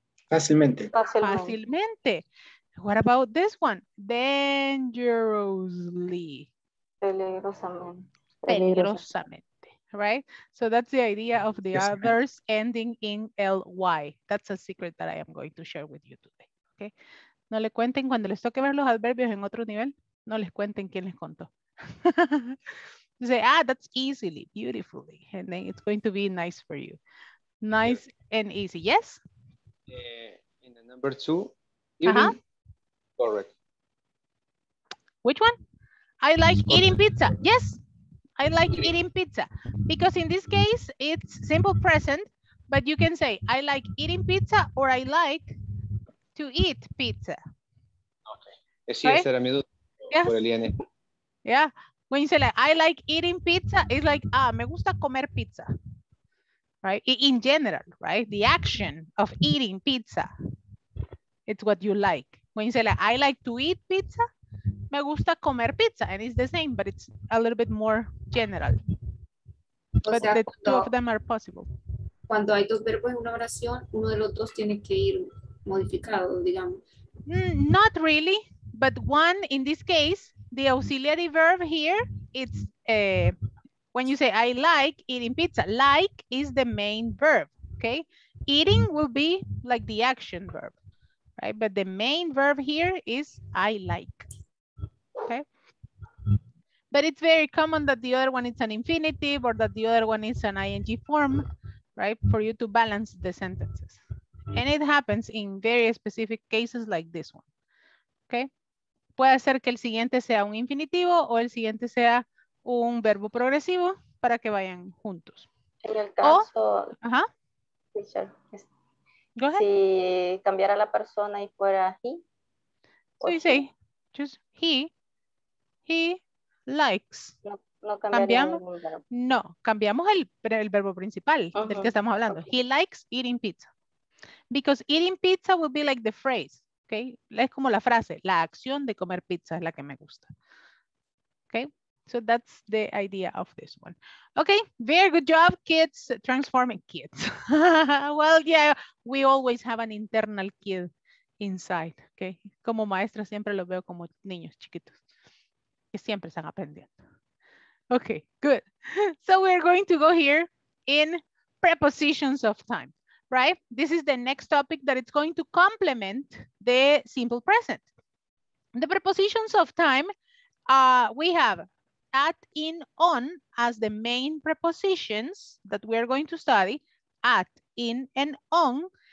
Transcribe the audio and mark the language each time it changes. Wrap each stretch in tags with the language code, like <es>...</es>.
<es>Fácilmente.</es> <en>What about this one? Dangerously.</en> <es>Peligrosamente.</es> <en>Right? So that's the idea of the others ending in L-Y. That's a secret that I am going to share with you today. Okay?</en> <es>No le cuenten cuando les toque ver los adverbios en otro nivel. No les cuenten quién les contó.</es> <en>Say, that's easily, beautifully. And then it's going to be nice for you. Nice and easy. Yes? In the number two. Uh-huh. Correct. Which one? I like eating pizza. Yes. I like eating pizza. Because in this case, it's simple present, but you can say, I like eating pizza or I like to eat pizza. Okay. Yes. Yeah. When you say like, I like eating pizza, it's like, ah,</en> <es>me gusta comer pizza.</es> <en>Right? In general, right? The action of eating pizza, it's what you like. When you say like, I like to eat pizza,</en> <es>me gusta comer pizza.</es> <en>And it's the same, but it's a little bit more general. But the two of them are possible.</en> <es>Cuando hay dos verbos en una oración, uno de los dos tiene que ir modificado, digamos.</es> <en>Not really, but one, in this case, the auxiliary verb here, it's when you say, I like eating pizza, like is the main verb, okay? Eating will be like the action verb, right? But the main verb here is I like, okay? But it's very common that the other one is an infinitive or that the other one is an ing form, right? For you to balance the sentences. And it happens in very specific cases like this one, okay?</en> <es>Puede ser que el siguiente sea un infinitivo o el siguiente sea un verbo progresivo para que vayan juntos. En el caso... Ajá.</es> <en>Go ahead.</en> <es>Si cambiara la persona y fuera he.</es> <en>So you say, just he likes.</en> <es>No cambiamos ningún verbo. No, cambiamos el verbo principal del que estamos hablando.</es> <en>Okay. He likes eating pizza. Because eating pizza would be like the phrase. Okay.</en> <es>Es como la frase, la acción de comer pizza es la que me gusta.</es> <en>Okay, so that's the idea of this one. Okay, very good job, kids, transforming kids. Well, yeah, we always have an internal kid inside.</en> <es>Okay, como maestra siempre los veo como niños chiquitos que siempre están aprendiendo.</es> <en>Okay, good. So we're going to go here in prepositions of time. Right? This is the next topic that it's going to complement the simple present. The prepositions of time, we have at, in, on as the main prepositions that we're going to study, at, in, and on.</en>